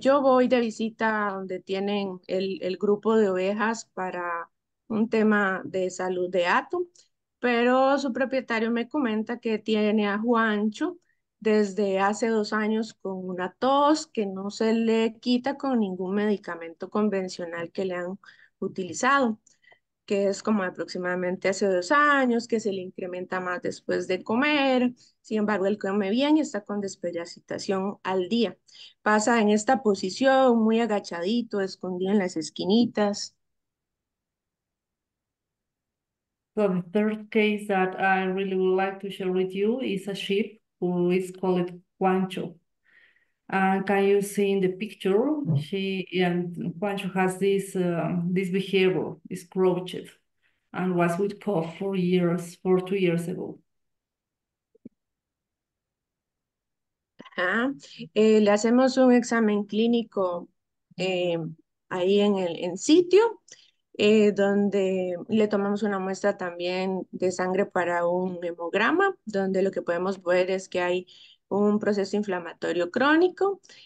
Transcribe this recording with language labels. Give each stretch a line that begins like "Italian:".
Spanish: Yo voy de visita donde tienen el grupo de ovejas para un tema de salud de hato, pero su propietario me comenta que tiene a Juancho desde hace 2 años con una tos que no se le quita con ningún medicamento convencional que le han utilizado, que es como aproximadamente hace 2 años, que se le incrementa más después de comer. Sin embargo, él come bien y está con despellacitación al día. Pasa en esta posición, muy agachadito, escondido en las esquinitas.
English: So the third case that I really would like to share with you is a sheep who is called Juancho. Can you see in the picture? Juancho has this behavior, this crouched, and was with cough 4 years, 4 2 years ago.
Spanish: Le hacemos un examen clínico ahí en en sitio, donde le tomamos una muestra también de sangre para un hemograma, donde lo que podemos ver es que hay un proceso inflamatorio crónico.